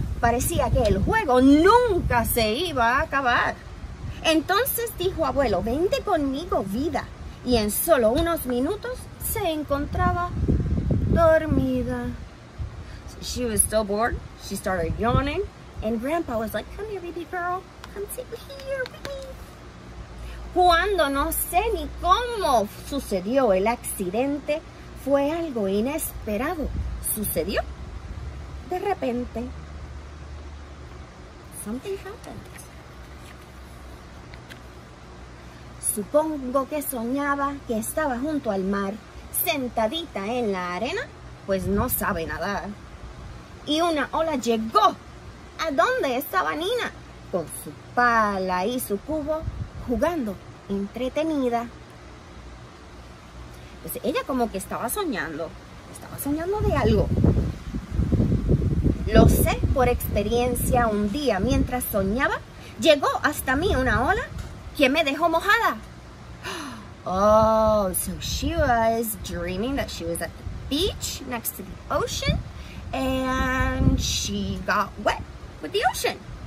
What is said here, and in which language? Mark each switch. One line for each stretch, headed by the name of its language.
Spanish: Parecía que el juego nunca se iba a acabar. Entonces dijo abuelo, vente conmigo, vida. Y en solo unos minutos se encontraba dormida.
English: She was still bored. She started yawning. And grandpa was like, come here, baby girl. Come sit here with me.
Spanish: Cuando no sé ni cómo sucedió el accidente, fue algo inesperado. Sucedió de repente.
English: Something happened.
Spanish: Supongo que soñaba que estaba junto al mar, sentadita en la arena, pues no sabe nadar. Y una ola llegó a donde estaba Nina, con su pala y su cubo, jugando, entretenida. Pues ella como que estaba soñando de algo. Lo sé por experiencia, un día mientras soñaba, llegó hasta mí una ola que me dejó mojada.
English: Oh, so she was dreaming that she was at the beach next to the ocean and she got wet with the ocean.